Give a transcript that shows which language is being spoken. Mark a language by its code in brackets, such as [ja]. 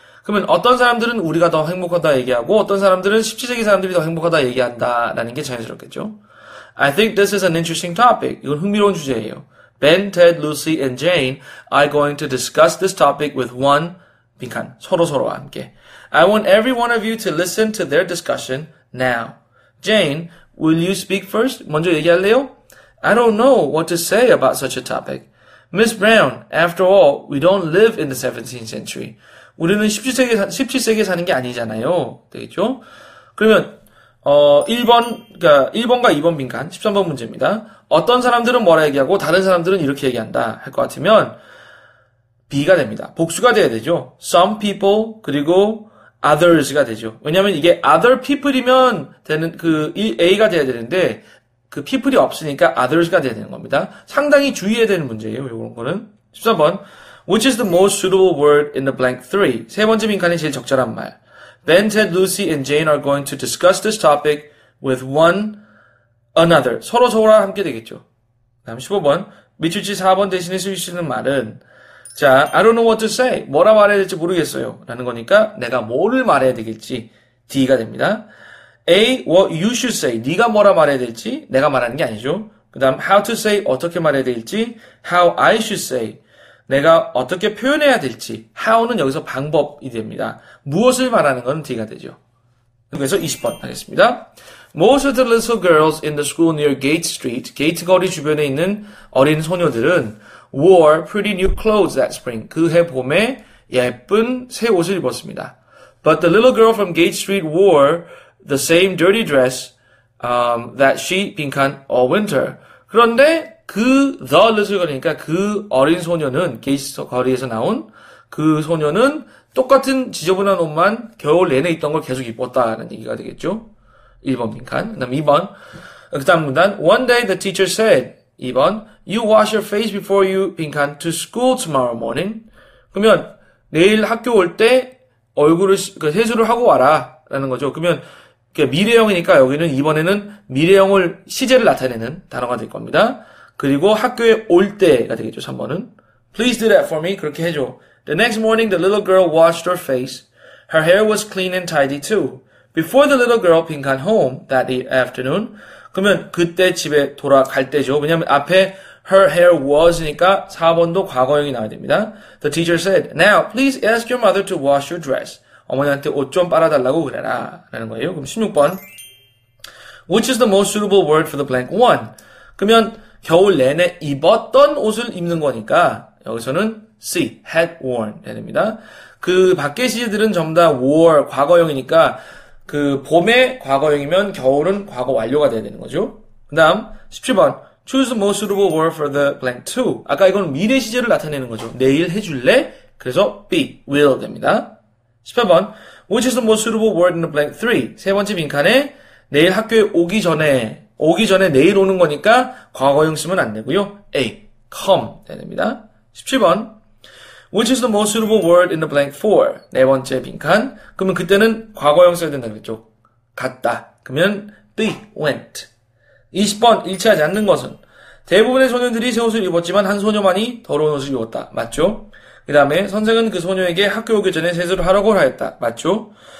[ko] 그러면 어떤 사람들은 우리가 더 행복하다 얘기하고 어떤 사람들은 17세기 사람들이 더 행복하다 얘기한다라는 게 자연스럽겠죠. [en] I think this is an interesting topic. [ko] 이건 흥미로운 주제예요. [en] Ben, Ted, Lucy, and Jane are going to discuss this topic with one [ko] 빈칸, 서로서로와 함께. [en] I want every one of you to listen to their discussion now. Jane, Will you speak first? [ko] 먼저 얘기할래요? [en] I don't know what to say about such a topic. Miss Brown, after all, we don't live in the 17th century. [ko] 우리는 17세기에 사는 게 아니잖아요. 되겠죠? 그러면, 1번과 2번 빈칸, 13번 문제입니다. 어떤 사람들은 뭐라 얘기하고, 다른 사람들은 이렇게 얘기한다. 할것 같으면, B가 됩니다. 복수가 돼야 되죠. [en] Some people, [ko] 그리고, others가 되죠. 왜냐면 이게 [en] other people [ko] 이면 되는, 그, A가 돼야 되는데, 그 people이 없으니까 others가 돼야 되는 겁니다. 상당히 주의해야 되는 문제예요, 요런 거는. 14번. [en] Which is the most suitable word in the blank three? [ko] 세 번째 빈칸이 제일 적절한 말. [en] Ben, Ted, Lucy, and Jane are going to discuss this topic with one another. [ko] 서로서로 함께 되겠죠. 다음 15번. 밑줄지 4번 대신에 쓸수 있는 말은, 자, [en] I don't know what to say. [ko] 뭐라 말해야 될지 모르겠어요. 라는 거니까 내가 뭐를 말해야 되겠지. D가 됩니다. A, [en] what you should say. [ko] 네가 뭐라 말해야 될지. 내가 말하는 게 아니죠. 그 다음, [en] how to say. [ko] 어떻게 말해야 될지. [en] How I should say. [ko] 내가 어떻게 표현해야 될지. [en] How는 [ko] 여기서 방법이 됩니다. 무엇을 말하는 건 D가 되죠. 그래서 20번 하겠습니다. [en] Most of the little girls in the school near Gate Street. [ko] 게이트 거리 주변에 있는 어린 소녀들은 [en] wore pretty new clothes that spring. [ko] 그해 봄에 예쁜 새 옷을 입었습니다. [en] But the little girl from Gate Street wore the same dirty dress that she [ko] 빈칸 [en] all winter. [ko] 그런데 그 [en] the little girl [ko] 그러니까 그 어린 소녀는 게이트 거리에서 나온 그 소녀는 똑같은 지저분한 옷만 겨울 내내 입던 걸 계속 입었다는 얘기가 되겠죠. 1번 빈칸. 그다음 2번. 그다음 문단. [en] One day the teacher said. 2번, you wash your face before you [ko] 빈칸 [en] to school tomorrow morning. [ko] 그러면 내일 학교 올때 얼굴을 세수를 하고 와라라는 거죠. 그러면 미래형이니까 여기는 이번에는 미래형을 시제를 나타내는 단어가 될 겁니다. 그리고 학교에 올 때가 되겠죠. 3번은. [en] Please do that for me. [ko] 그렇게 해줘. [en] The next morning, the little girl washed her face. Her hair was clean and tidy too. Before the little girl being gone home that afternoon. [ko] 그러면 그때 집에 돌아갈 때죠. 왜냐면 앞에 her hair was니까 4번도 과거형이 나와야 됩니다. [en] The teacher said, Now, please ask your mother to wash your dress. [ko] 어머니한테 옷 좀 빨아달라고 그래라. 라는 거예요. 그럼 16번. [en] Which is the most suitable word for the blank one? [ko] 그러면 겨울 내내 입었던 옷을 입는 거니까 여기서는 C, [en] had worn [ko] 해야 됩니다. 그 밖의 시제들은 전부 다 wore, 과거형이니까 그 봄에 과거형이면 겨울은 과거 완료가 돼야 되는 거죠. [en] 그 다음 17번 Choose the most suitable word for the blank to. [ko] 아까 이건 미래 시제를 나타내는 거죠. 내일 해줄래? 그래서 be, will 됩니다. [en] 18번 Which is the most suitable word in the blank 3? [ko] 세 번째 빈칸에 내일 학교에 오기 전에 내일 오는 거니까 과거형 쓰면 안 되고요. A, come 해야 됩니다. [en] 17번 Which is the most suitable word in the blank 4? [ko] 네 번째 빈칸. 그러면 그때는 과거형 써야 된다 그랬죠. 갔다. 그러면 be, went. 20번. 일치하지 않는 것은? 대부분의 소년들이 새 옷을 입었지만 한 소녀만이 더러운 옷을 입었다. 맞죠? 그 다음에 선생은 그 소녀에게 학교 오기 전에 세수를 하라고 하였다. 맞죠?